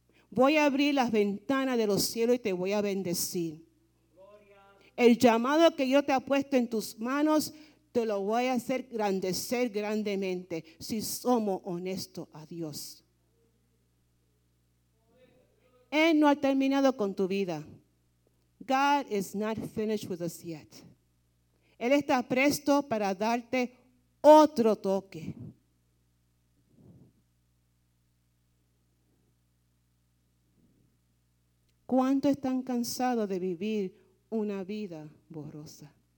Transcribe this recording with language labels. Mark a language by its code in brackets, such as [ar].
[es] Voy a abrir las ventanas de los cielos y te voy a bendecir. El llamado que yo te he puesto en tus manos, te lo voy a hacer grandecer grandemente, si somos honestos a Dios. Él no ha terminado con tu vida. [en] God is not finished with us yet. [es] Él está presto para darte otro toque. ¿Cuánto están cansados de vivir una vida borrosa?